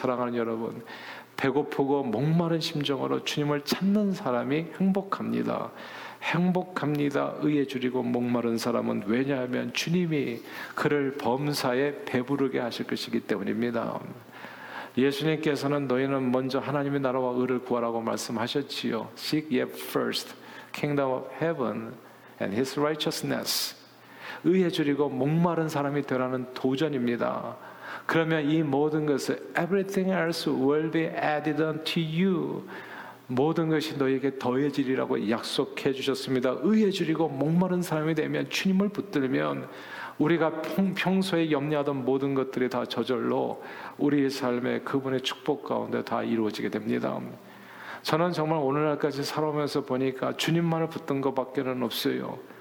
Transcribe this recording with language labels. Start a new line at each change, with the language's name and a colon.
Korean: 사랑하는 여러분, 배고프고 목마른 심정으로 주님을 찾는 사람이 행복합니다. 행복합니다. 의에 주리고 목마른 사람은 왜냐하면 주님이 그를 범사에 배부르게 하실 것이기 때문입니다. 예수님께서는 너희는 먼저 하나님의 나라와 의를 구하라고 말씀하셨지요.
English: Seek ye first kingdom of heaven and his righteousness.
Korean: 의에 주리고 목마른 사람이 되라는 도전입니다. 그러면 이 모든 것을
English: everything else will be added unto you.
Korean: 모든 것이 너에게 더해지리라고 약속해 주셨습니다. 의에 주리고 목마른 사람이 되면 주님을 붙들면 우리가 평소에 염려하던 모든 것들이 다 저절로 우리의 삶에 그분의 축복 가운데 다 이루어지게 됩니다. 저는 정말 오늘날까지 살아오면서 보니까 주님만을 붙든 것밖에는 없어요.